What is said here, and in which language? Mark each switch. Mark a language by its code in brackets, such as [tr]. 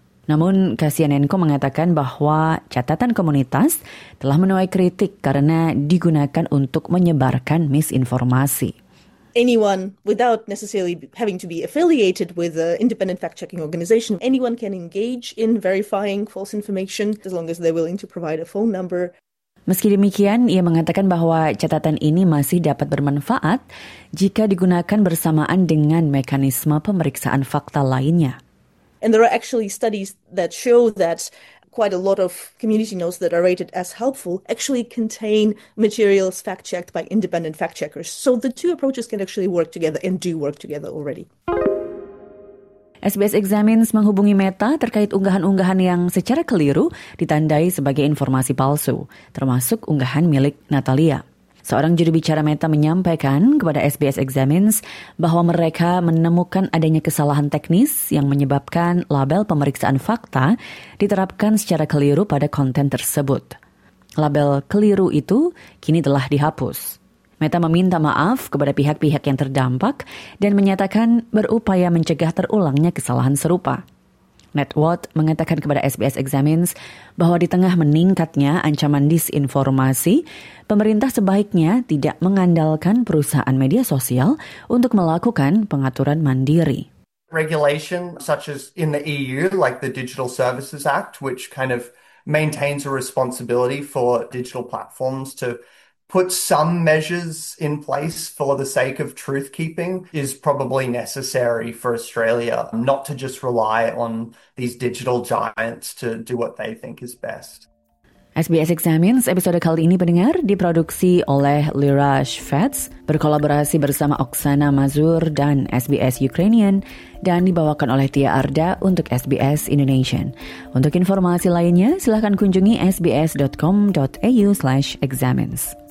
[id] Namun, Kasianenko mengatakan bahwa catatan komunitas telah menuai kritik karena digunakan untuk menyebarkan misinformasi. [en] Anyone, without necessarily having to be affiliated with an independent fact-checking organization, anyone can engage in verifying false information as long as they're willing to provide a phone number. [id] Meski demikian, ia mengatakan bahwa catatan ini masih dapat bermanfaat jika digunakan bersamaan dengan mekanisme pemeriksaan fakta lainnya. [en] And there are actually studies that show that quite a lot of community notes that are rated as helpful actually contain materials fact-checked by independent fact-checkers. So the two approaches can actually work together and do work together already. [id] SBS Examines menghubungi Meta terkait unggahan-unggahan yang secara keliru ditandai sebagai informasi palsu, termasuk unggahan milik Natalia. Seorang juru bicara Meta menyampaikan kepada SBS Examines bahwa mereka menemukan adanya kesalahan teknis yang menyebabkan label pemeriksaan fakta diterapkan secara keliru pada konten tersebut. Label keliru itu kini telah dihapus. Meta meminta maaf kepada pihak-pihak yang terdampak dan menyatakan berupaya mencegah terulangnya kesalahan serupa. Matt Watt mengatakan kepada SBS Examines bahwa di tengah meningkatnya ancaman disinformasi, pemerintah sebaiknya tidak mengandalkan perusahaan media sosial untuk melakukan pengaturan mandiri. [en] Regulation such as in the EU, like the Digital Services Act, which kind of maintains a responsibility for digital platforms to put some measures in place for the sake of truth keeping, is probably necessary for Australia not to just rely on these digital giants to do what they think is best. [id] SBS Examines episode kali ini, pendengar, diproduksi oleh Lyra Shvets, berkolaborasi bersama Oksana Mazur dan SBS Ukrainian, dan dibawakan oleh Tia Arda untuk SBS Indonesian. Untuk informasi lainnya, silakan kunjungi sbs.com.au/examines.